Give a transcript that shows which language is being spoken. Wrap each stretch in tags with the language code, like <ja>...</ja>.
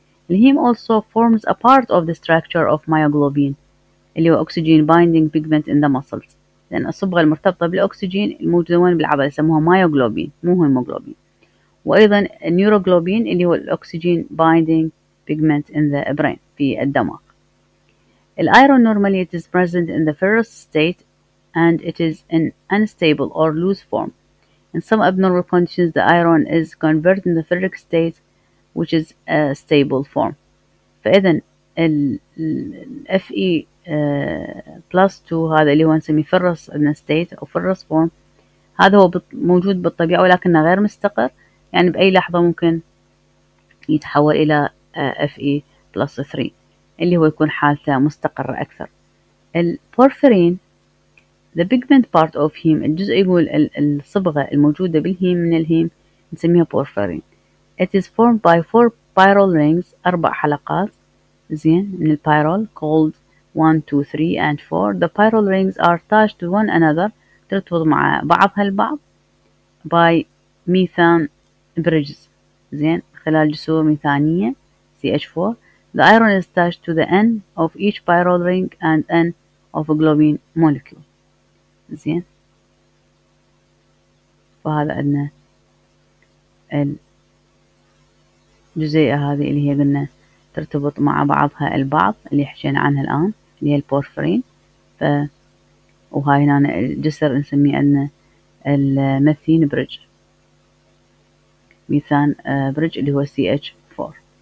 <en>الهيم also forms a part of the structure of myoglobin اللي هو oxygen binding pigment in the muscles.</en> <ar>لأن الصبغة المرتبطة بالأكسجين الموجودة وين بالعضلة يسموها مايوغلوبين مو هيموغلوبين. وأيضا النيوروغلوبين اللي هو الأكسجين</ar> <en>binding pigment in the brain</en> <ar>في الدماغ.</ar> <en>الأيرون normally it is present in the ferrous state and it is in unstable or loose form. In some abnormal conditions the iron is converted in the ferric state which is a stable form.</en> <ar>فإذا ال Fe plus 2 هذا اللي هو نسميه ferrous in a state أو ferrous form هذا هو موجود بالطبيعة ولكنه غير مستقر، يعني بأي لحظة ممكن يتحول إلى Fe plus 3 اللي هو يكون حالته مستقرة أكثر. البورفيرين</ar> <en>the pigment part of heme</en> <ar>الجزء يقول الصبغة الموجودة بالهيم من الهيم نسميها بورفيرين.</ar> <en>It is formed by four pyrrole rings</en> <ar>أربع حلقات زين من البيرول</ar> <en>called 1, 2, 3, and 4. The pyrrole rings are attached to one another</en> <ar>ترتبط مع بعضها البعض</ar> <en>by methane bridges</en> <ar>زين خلال جسور ميثانية</ar> <en>CH4. The iron is attached to the end of each pyrrole ring and end of a globin molecule زين.</en> <ar>وهذا عندنا الجزيئة هذه اللي هي قلنا ترتبط مع بعضها البعض اللي حكينا عنها الآن اللي هي البورفيرين. وهاي هنا الجسر نسميه عندنا الميثين بريدج ميثان بريدج اللي هو CH4.</ar>